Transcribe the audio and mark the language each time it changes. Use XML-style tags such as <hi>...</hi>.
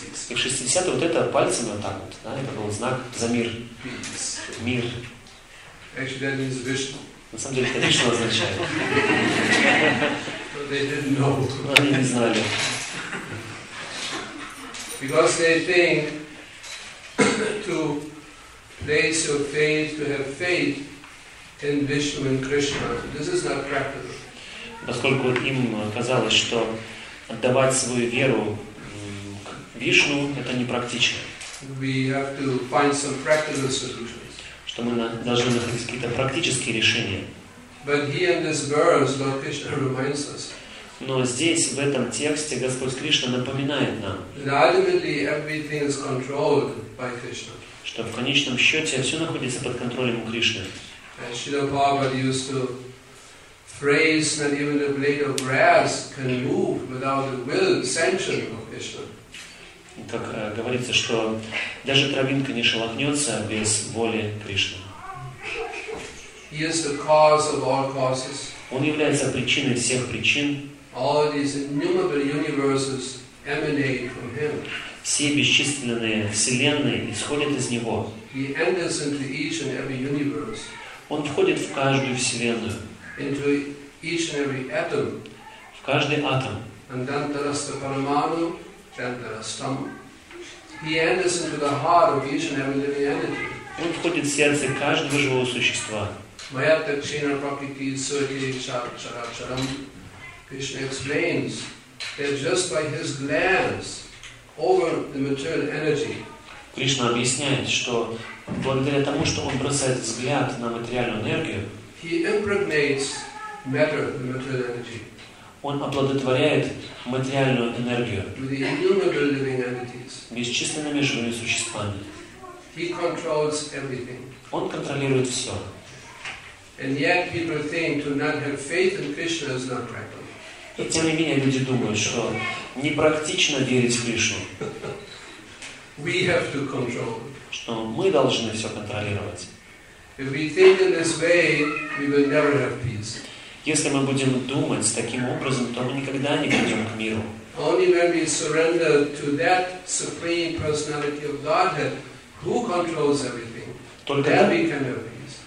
<ru>И в 60-е вот это пальцем вот так вот, да, это был знак за мир.</ru> <en>Peace.</en> <ru>Мир.</ru> <en>Actually, that means Vishnu.</en> <ru>На самом деле, это Вишну означает. Они не знали.</ru> <en>Because they think to place your faith, to have faith in Vishnu and Krishna, this is not practical.</en> <ru>Поскольку им казалось, что отдавать свою веру к Вишну, это не практично.</ru> <en>We have to find some practical solutions.</en> <ru>Что мы должны находить какие-то практические решения.</ru> <en>But here in this verse, Lord Krishna reminds us.</en> <ru>Но здесь, в этом тексте, Господь Кришна напоминает нам,</ru> <en>ultimately everything is controlled by Krishna.</en> <ru>Что в конечном счете все находится под контролем у Кришны.</ru> <en>And Srila Prabhupada used to phrase that even a blade of grass can move without the will, sanction of Krishna.</en> <ru>Как говорится, что даже травинка не шелохнется без воли Кришны.</ru> <en>He is the cause of all causes.</en> <ru>Он является причиной всех причин.</ru> <en>All these innumerable universes emanate from him.</en> <ru>Все бесчисленные вселенные исходят из него.</ru> <en>He enters into each and every universe.</en> <ru>Он входит в каждую вселенную.</ru> <en>Into each and every atom.</en> <ru>В каждый атом.</ru> <en>And then there is the paramanu, then there is tam. He enters into the heart of each and every living entity.</en> <ru>Он входит в сердце каждого живого существа.</ru> <sa>Mayata Kshina Prakriti Surti Characharam.</sa> <en>Krishna explains that just by his glance over the material energy.</en> <ru>Krishna объясняет, что благодаря тому, что он бросает взгляд на материальную энергию,</ru> <en>he impregnates matter, the material energy.</en> <ru>Он оплодотворяет материальную энергию</ru> <en>with the innumerable living entities.</en> <ru>Бесчисленными живыми существами.</ru> <en>He controls everything.</en> <ru>Он контролирует все.</ru> <en>And yet people think to not have faith in Krishna is not practical.</en> <ru>И тем не менее люди думают, что непрактично верить в Кришну.</ru> <en>We have to control.</en> <ru>Что мы должны все контролировать.</ru> <en>If we think in this way, we will never have peace.</en> <ru>Если мы будем думать таким образом, то мы никогда не придем к миру.</ru> <en>Only when we surrender to that supreme personality of Godhead, who controls everything, then we can have peace.</en>